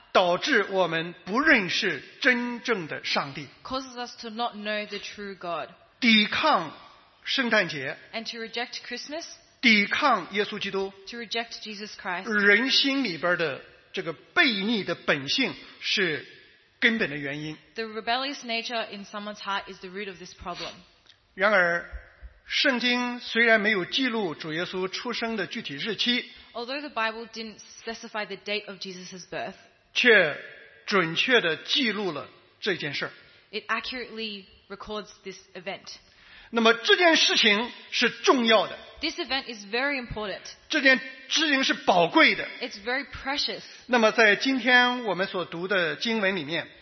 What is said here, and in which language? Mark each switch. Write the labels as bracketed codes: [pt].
[zh] 导致我们不认识真正的上帝 [en] causes us to not know the true God [zh] 抵抗圣诞节 [en] and to reject Christmas [zh] 抵抗耶稣基督 [en] to reject Jesus Christ [zh] 人心里边的这个悖逆的本性是根本的原因 [en] the rebellious nature in someone's heart is the root of this problem [zh] 然而圣经虽然没有记录主耶稣出生的具体日期， [en] although the Bible didn't specify the date of Jesus' birth， [zh] 却准确地记录了这件事。 [en] It accurately records this event。 [zh] 那么这件事情是重要的， [en] This event is very important。 [zh] 这件事情是宝贵的， [en] It's very precious。 [zh] 那么在今天我们所读的经文里面，